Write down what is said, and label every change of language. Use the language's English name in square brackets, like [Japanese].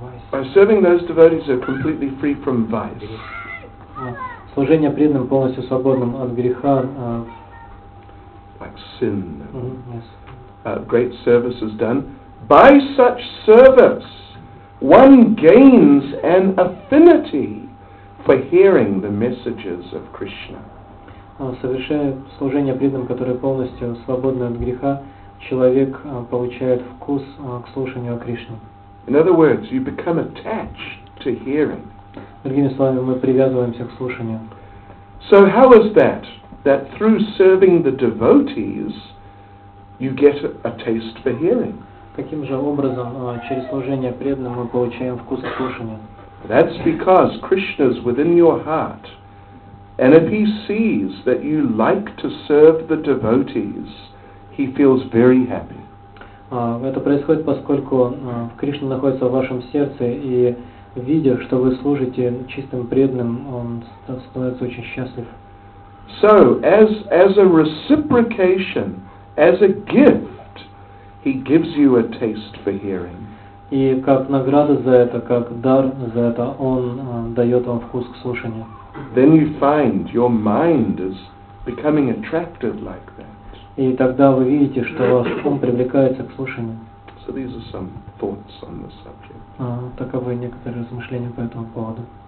[English] By serving those devotees who are completely free from vice. [Russian] Служение преданным, полностью свободным от греха. [English] Like sin. Mm-hmm, yes. Great service is done. By such service, one gains an affinity for hearing the messages of Krishna. [Russian] Совершая служение преданным, которое полностью свободно от греха, человек получает вкус к слушанию о Кришне. [English] In other words, you become attached to hearing. [Russian] Другими словами, мы привязываемся к слушанию. [English] So how is that? That through serving the devotees, you get a taste for hearing. [Russian] Каким же образом через служение преданным мы получаем вкус к слушанию? [English] That's because Krishna's within your heart, and if he sees that you like to serve the devotees, he feels very happy. [Russian] Это происходит, поскольку Кришна находится в вашем сердце и видя, что вы служите чистым преданным, он становится очень счастлив. [English] So, as a reciprocation, as a gift, he gives you a taste for hearing. [Russian] И как награда за это, как дар за это, он дает вам вкус к слушанию. [English] Then you find your mind is becoming attracted like that. [Russian] И тогда вы видите, что ваш ум привлекается к слушанию. [English] So these are some thoughts on the subject. [Russian] Таковы некоторые размышления по этому поводу.